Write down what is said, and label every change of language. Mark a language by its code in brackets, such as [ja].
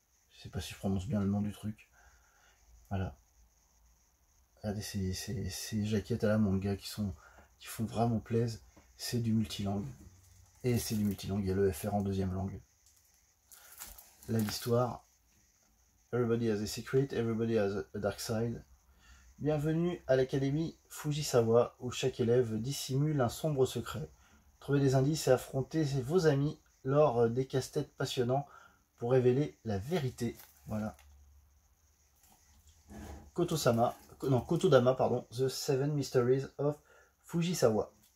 [fr] Je sais pas si je prononce bien le nom du truc. Voilà. Regardez ces jaquettes à la manga qui font vraiment plaisir. C'est du multilangue. Et c'est du multilangue. Il y a le FR en deuxième langue. Là, l'histoire. [en] Everybody has a secret, everybody has a dark side. [fr] Bienvenue à l'académie Fujisawa, où chaque élève dissimule un sombre secret. Trouvez des indices et affrontez vos amis lors des casse-têtes passionnants pour révéler la vérité. Voilà. Koto-sama, non, Kotodama, pardon, The Seven Mysteries of Fujisawa.